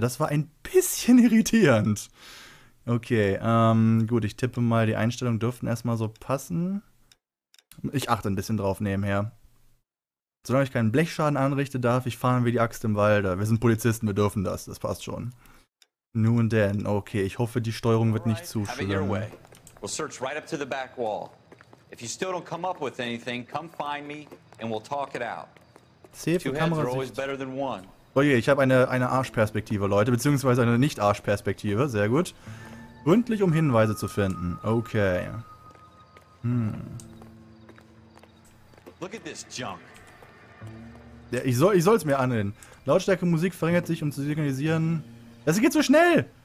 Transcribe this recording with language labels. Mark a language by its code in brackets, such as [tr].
[de] Das war ein bisschen irritierend. Okay, gut, ich tippe mal, die Einstellungen dürften erstmal so passen. Ich achte ein bisschen drauf nebenher. Solange ich keinen Blechschaden anrichte, darf ich fahren wie die Axt im Walde. Wir sind Polizisten, wir dürfen das. Das passt schon. Nun denn, okay, ich hoffe, die Steuerung wird nicht zu schlimm. [en] We'll search right up to the back wall. If you still don't come up with anything, come find me and we'll talk it out. Two heads are always better than one. [de] Oh je, ich habe eine Arschperspektive, Leute, beziehungsweise eine Nicht-Arschperspektive. Sehr gut. Gründlich, um Hinweise zu finden. Okay. [en] Look at this junk. [de] Ja, ich soll es mir anhören. Lautstärke Musik verringert sich, um zu signalisieren. Das geht zu schnell!